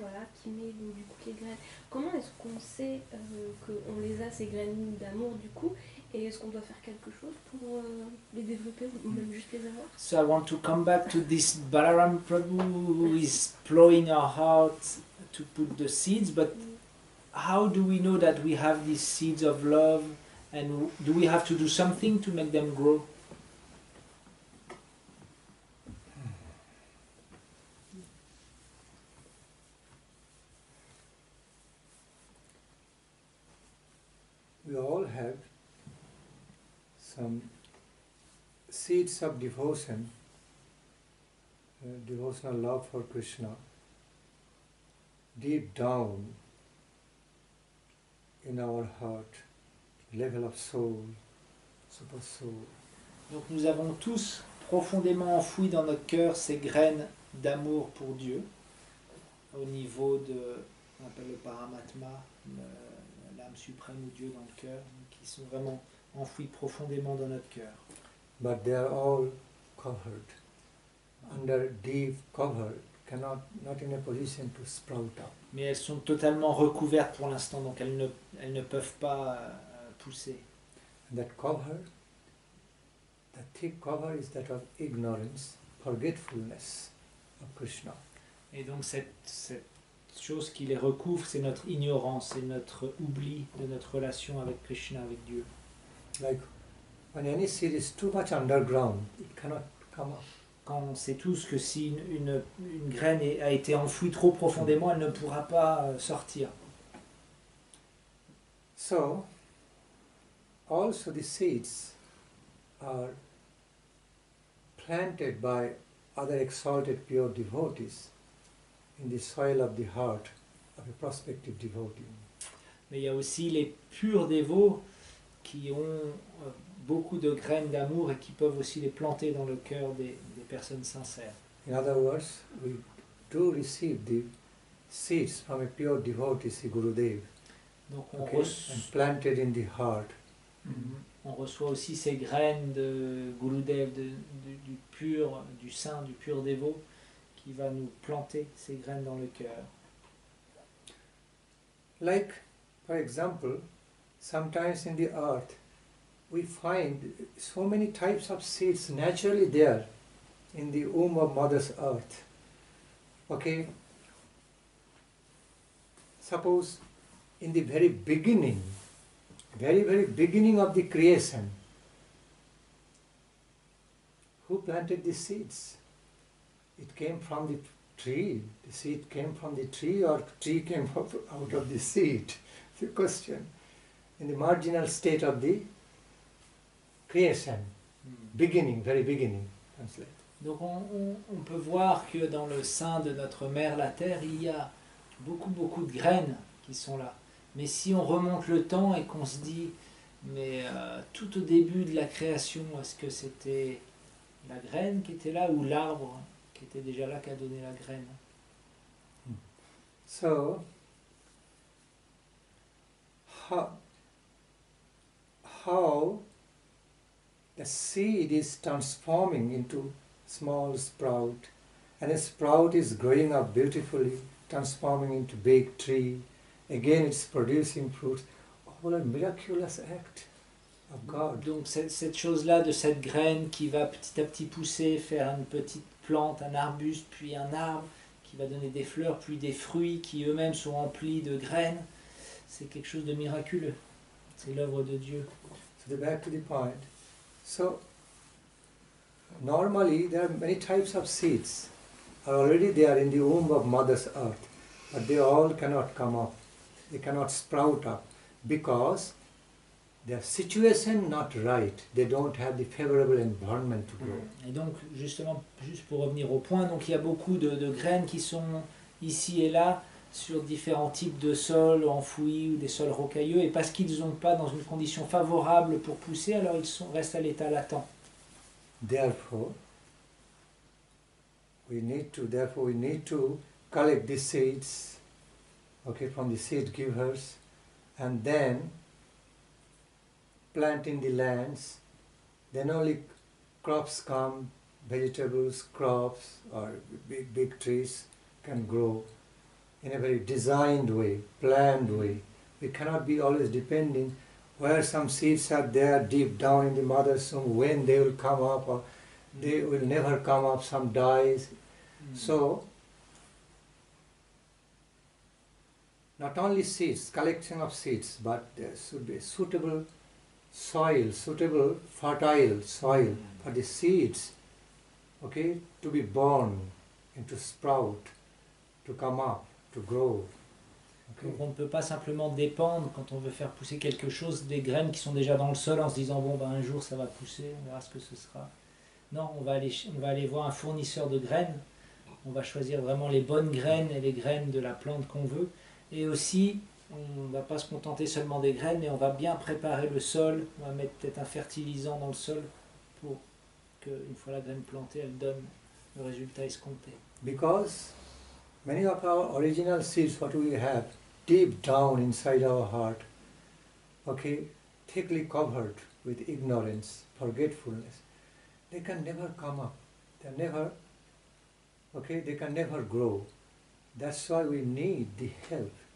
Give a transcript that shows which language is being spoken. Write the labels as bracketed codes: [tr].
[fr] Voilà, qui met donc, du coup, les graines. Comment est-ce qu'on sait qu'on les a, ces graines d'amour, du coup, Et est-ce qu'on doit faire quelque chose pour les développer ou même juste les avoir? [en] So I want to come back to this Balaram Prabhu who is plowing our hearts to put the seeds, but how do we know that we have these seeds of love, and do we have to do something to make them grow? We all have some seeds of devotion, devotional love for Krishna, deep down in our heart, level of soul, super soul. [fr] Donc nous avons tous profondément enfoui dans notre cœur ces graines d'amour pour Dieu, au niveau de, on appelle le Paramatma, l'âme suprême ou Dieu dans le cœur, qui sont vraiment enfouis profondément dans notre cœur. [en] But they are all covered, under deep cover, not in a position to sprout up. [fr] Mais elles sont totalement recouvertes pour l'instant, donc elles ne peuvent pas pousser. [en] And that cover, that thick cover is that of ignorance, forgetfulness of Krishna. [fr] Et donc cette chose qui les recouvre, c'est notre ignorance, c'est notre oubli de notre relation avec Krishna, avec Dieu. [en] Like when any seed is too much underground, it cannot come up. [fr] Quand on sait tous que si une graine a été enfouie trop profondément, elle ne pourra pas sortir. [en] So, also the seeds are planted by other exalted pure devotees in the soil of the heart of a prospective devotee. [fr] Mais il y a aussi les purs dévots qui ont beaucoup de graines d'amour et qui peuvent aussi les planter dans le cœur des personnes sincères. [en] In other words, we do receive the seeds from a pure devotee, Sri Gurudev. [fr] Donc on reçoit. [en] Planted in the heart. [fr] On reçoit aussi ces graines de Gurudev, du pur, du saint, du pur dévot, qui va nous planter ces graines dans le cœur. [en] Like, for example, sometimes in the earth, we find so many types of seeds naturally there in the womb of Mother's Earth. Okay? Suppose in the very, very beginning of the creation, who planted the seeds? It came from the tree. The seed came from the tree, or tree came out of the seed? The question. In the marginal state of the creation, beginning, very beginning, translate. [fr] Donc on peut voir que dans le sein de notre mère, la terre, il y a beaucoup, beaucoup de graines qui sont là. Mais si on remonte le temps et qu'on se dit, mais tout au début de la création, est-ce que c'était la graine qui était là ou l'arbre qui était déjà là qui a donné la graine? [en] So, how the seed is transforming into small sprout, and a sprout is growing up beautifully, transforming into big tree, again it's producing fruits. What a miraculous act of God. [fr] Donc cette chose-là, de cette graine qui va petit à petit pousser, faire une petite plante, un arbuste, puis un arbre, qui va donner des fleurs, puis des fruits, qui eux-mêmes sont remplis de graines, c'est quelque chose de miraculeux. C'est l'œuvre de Dieu. [en] So the back to the point. So, normally there are many types of seeds are already there in the womb of Mother's Earth, but they all cannot come up, they cannot sprout up, because their situation not right, they don't have the favorable environment to grow. [fr] Et donc, justement, juste pour revenir au point, donc il y a beaucoup de graines qui sont ici et là, sur différents types de sols enfouis ou des sols rocailleux, et parce qu'ils n'ont pas dans une condition favorable pour pousser, alors ils restent à l'état latent. [en] Therefore, we need to collect the seeds, okay, from the seed givers, and then plant in the lands. Then only crops come, vegetables, crops, or big trees can grow. In a very designed way, planned way. We cannot be always depending where some seeds are there deep down in the mother's womb, when they will come up, or they will never come up, some dies. So, not only seeds, collection of seeds, but there should be suitable soil, suitable fertile soil for the seeds, okay, to be born and to sprout, to come up, to grow. [fr] Donc on ne peut pas simplement dépendre, quand on veut faire pousser quelque chose, des graines qui sont déjà dans le sol en se disant « bon, ben un jour ça va pousser, on verra ce que ce sera ». Non, on va aller voir un fournisseur de graines, on va choisir vraiment les bonnes graines et les graines de la plante qu'on veut. Et aussi, on ne va pas se contenter seulement des graines, mais on va bien préparer le sol, on va mettre peut-être un fertilisant dans le sol pour qu'une fois la graine plantée, elle donne le résultat escompté. [en] Because many of our original seeds, what we have deep down inside our heart, okay, thickly covered with ignorance, forgetfulness, they can never come up. They can never grow. That's why we need the help.